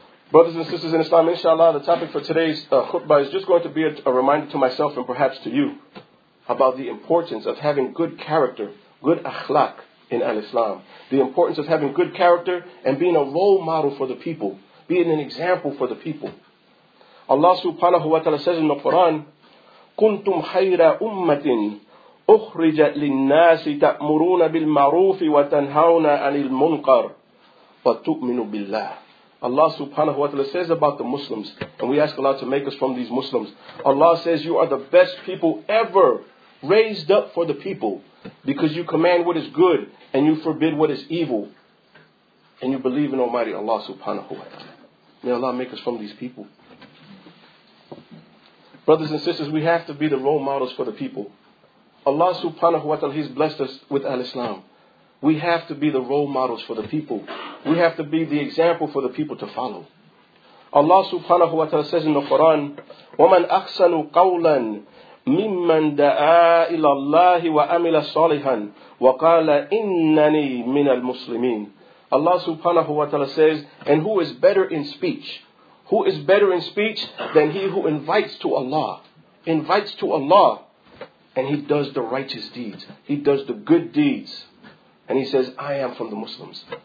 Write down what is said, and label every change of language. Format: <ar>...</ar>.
<en>Brothers and sisters in Islam, inshallah, the topic for today's khutbah is just going to be a reminder to myself and perhaps to you about the importance of having good character, good akhlaq in al-Islam. The importance of having good character and being a role model for the people. Being an example for the people. Allah subhanahu wa ta'ala says in the Quran,</en> <ar>كُنْتُمْ خَيْرَ أُمَّةٍ أُخْرِجَتْ لِلنَّاسِ تَأْمُرُونَ بِالْمَعْرُوفِ وَتَنْهَوْنَ عَنِ الْمُنْكَرِ وَتُؤْمِنُوا بِاللَّهِ.</ar> <en>Allah subhanahu wa ta'ala says about the Muslims, and we ask Allah to make us from these Muslims. Allah says, you are the best people ever raised up for the people, because you command what is good and you forbid what is evil. And you believe in Almighty Allah subhanahu wa ta'ala. May Allah make us from these people. Brothers and sisters, we have to be the role models for the people. Allah subhanahu wa ta'ala, He's blessed us with al-Islam. We have to be the role models for the people. We have to be the example for the people to follow. Allah subhanahu wa ta'ala says in the Quran,</en> <ar>وَمَنْ أَحْسَنُ قَوْلًا مِمَّنْ دَعَىٰ إِلَى اللَّهِ وَأَمِلَ صَالِحًا وَقَالَ إِنَّنِي مِنَ الْمُسْلِمِينَ.</ar> <en>Allah subhanahu wa ta'ala says, and who is better in speech? Who is better in speech than he who invites to Allah? Invites to Allah, and he does the righteous deeds. He does the good deeds. And he says, I am from the Muslims.</en>